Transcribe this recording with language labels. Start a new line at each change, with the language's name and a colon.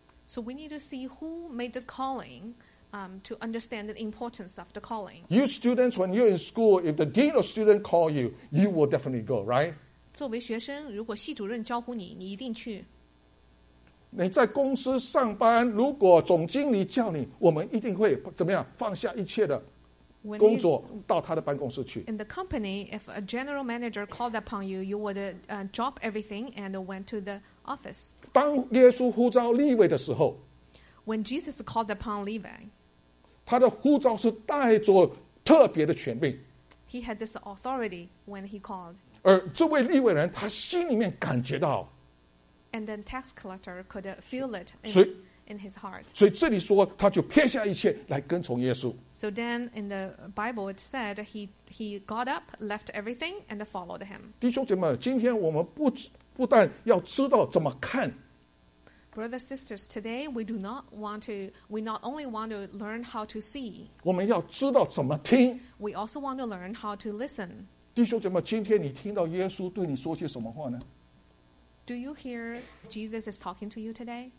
English: So we need to see who made the calling to understand the importance of the calling. You students, when you're in school, if the dean or student call you, you will definitely go, right?
Chinese: 作为学生，如果系主任招呼你，你一定去。你在公司上班，如果总经理叫你，我们一定会怎么样？放下一切的工作，到他的办公室去。
English: In the company, if a general manager called upon you, you would drop everything and went to the office.
Chinese: 当耶稣呼召利未的时候，
English: When Jesus called upon Levi,
Chinese: 他的呼召是带着特别的权柄。
English: He had this authority when he called.
Chinese: 而这位利未人，他心里面感觉到。
English: And then tax collector could feel it in his heart.
Chinese: 所以这里说他就撇下一切来跟从耶稣。
English: So then in the Bible it said he got up, left everything and followed him.
Chinese: 弟兄姐妹，今天我们不但要知道怎么看。
English: Brothers, sisters, today we not only want to learn how to see.
Chinese: 我们要知道怎么听。
English: We also want to learn how to listen.
Chinese: 弟兄姐妹，今天你听到耶稣对你说些什么话呢？
English: Do you hear Jesus is talking to you today?